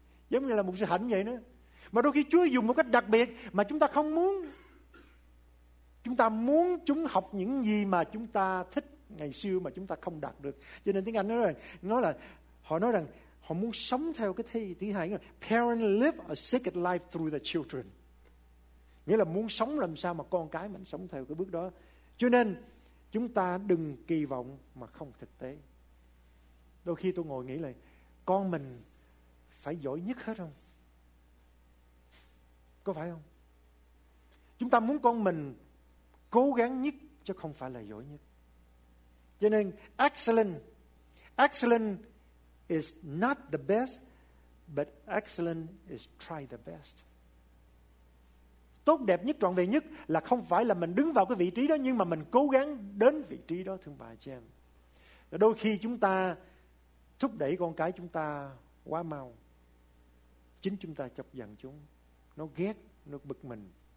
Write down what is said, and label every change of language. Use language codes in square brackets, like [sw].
[vi] Giống như là mục sư Hạnh vậy đó. Mà đôi khi Chúa dùng một cách đặc biệt mà chúng ta không muốn. Chúng ta muốn chúng học những gì mà chúng ta thích ngày xưa mà chúng ta không đạt được. Cho nên tiếng Anh nói rằng họ muốn sống theo cái thứ hai. [en] Parents live a sacred life through the children. [vi] Nghĩa là muốn sống làm sao mà con cái mình sống theo cái bước đó. Cho nên chúng ta đừng kỳ vọng mà không thực tế. Đôi khi tôi ngồi nghĩ là con mình phải giỏi nhất hết không? Có phải không? Chúng ta muốn con mình cố gắng nhất chứ không phải là giỏi nhất. [en] Cho nên excellent is not the best But excellent is try the best. [vi] Tốt đẹp nhất, trọn vẹn nhất là không phải là mình đứng vào cái vị trí đó, nhưng mà mình cố gắng đến vị trí đó, thưa bà chị em. Đôi khi chúng ta thúc đẩy con cái chúng ta quá mau. Chính chúng ta chọc giận chúng. Nó ghét, nó bực mình.